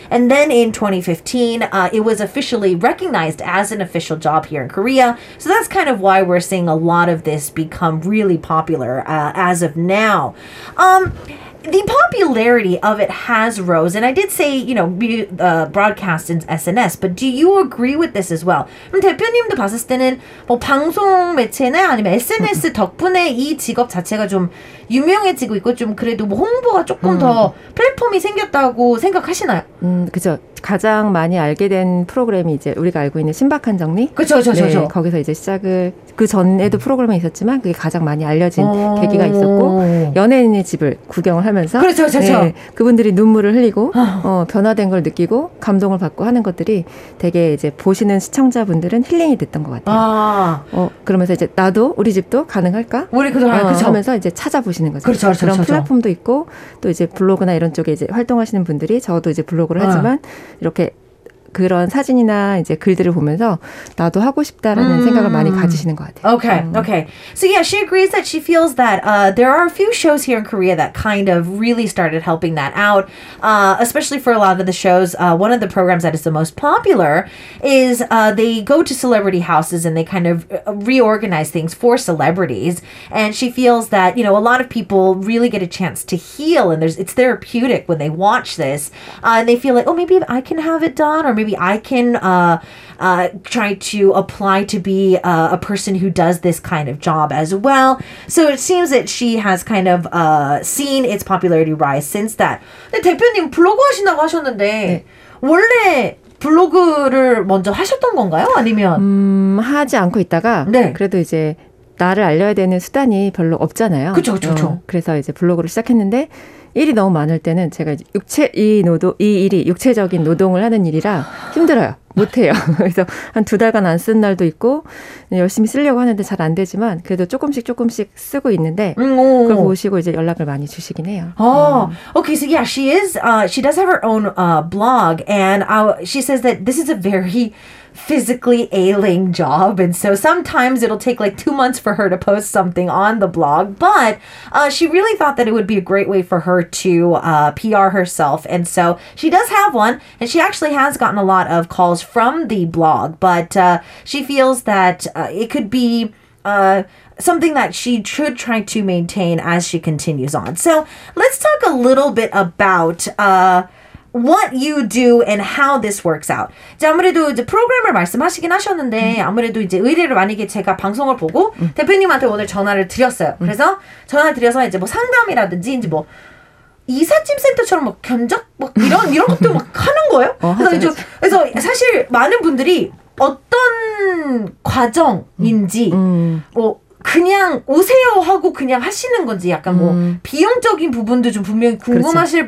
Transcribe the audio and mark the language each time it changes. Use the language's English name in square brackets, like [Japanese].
[English] And then in 2015, it was officially recognized as an official job here in Korea. So that's kind of why we're seeing a lot of this become really popular as of now. The popularity of it has rose, and I did say, you know, broadcast in SNS, but do you agree with this as well? [Korean] 그럼 대표님도 봤을 때는 뭐 방송 매체나 아니면 SNS 덕분에 이 직업 자체가 좀 유명해지고 있고 좀 그래도 뭐 홍보가 조금 더 플랫폼이 생겼다고 생각하시나요? 그죠. 가장 많이 알게 된 프로그램이 이제 우리가 알고 있는 신박한 정리. 그렇죠. 네, 거기서 이제 시작을 그 전에도 프로그램이 있었지만 그게 가장 많이 알려진 계기가 있었고 연예인의 집을 구경을 하면서 그렇죠. 네, 그분들이 눈물을 흘리고 변화된 걸 느끼고 감동을 받고 하는 것들이 되게 이제 보시는 시청자분들은 힐링이 됐던 것 같아요. 그러면서 이제 나도 우리 집도 가능할까? 우리 그도 하면서 이제 찾아보시는 거죠. 그렇죠. 그런 플랫폼도 있고 또 이제 블로그나 이런 쪽에 이제 활동하시는 분들이 저도 이제 블로그를 하지만 이렇게 그런 사진이나 이제 글들을 보면서 나도 하고 싶다라는 생각을 많이 가지시는 것 같아요. [English] Okay, okay. So yeah, she agrees that she feels that there are a few shows here in Korea that kind of really started helping that out, especially for a lot of the shows. One of the programs that is the most popular is they go to celebrity houses and they kind of reorganize things for celebrities. And she feels that, you know, a lot of people really get a chance to heal and it's therapeutic when they watch this. And they feel like, oh, maybe I can have it done, or maybe I can try to apply to be a person who does this kind of job as well. So it seems that she has kind of seen its popularity rise since that. [Korean] 네, 대표님 블로그 하신다고 하셨는데 네. 원래 블로그를 먼저 하셨던 건가요? 아니면 하지 않고 있다가 네. 그래도 이제 나를 알려야 되는 수단이 별로 없잖아요. 그렇죠. 그래서 이제 블로그를 시작했는데 일이 너무 많을 때는 제가 이 일이 육체적인 노동을 하는 일이라 힘들어요. 못해요. 그래서 한 두 달간 안 쓴 날도 있고 열심히 쓰려고 하는데 잘 안 되지만 그래도 조금씩 쓰고 있는데 그걸 보시고 이제 연락을 많이 주시긴 해요. [English] Okay, so yeah, she does have her own blog and she says that this is a very physically ailing job, and so sometimes it'll take like 2 months for her to post something on the blog, but she really thought that it would be a great way for her to PR herself, and so she does have one, and she actually has gotten a lot of calls from the blog, but she feels that it could be something that she should try to maintain as she continues on. So let's talk a little bit about what you do and how this works out. [Korean] 이제 아무래도 이제 프로그램을 말씀하시긴 하셨는데 아무래도 이제 의뢰를 만약에 제가 방송을 보고 대표님한테 오늘 전화를 드렸어요. 그래서 전화를 드려서 이제 뭐 상담이라든지 이제 뭐 이삿짐 센터처럼 막 견적 막 이런 것도 막 하는 거예요? 그래서 사실 많은 분들이 어떤 과정인지 뭐 그냥 오세요 하고 그냥 하시는 건지 약간 뭐 비용적인 부분도 좀 분명히 궁금하실 그렇지.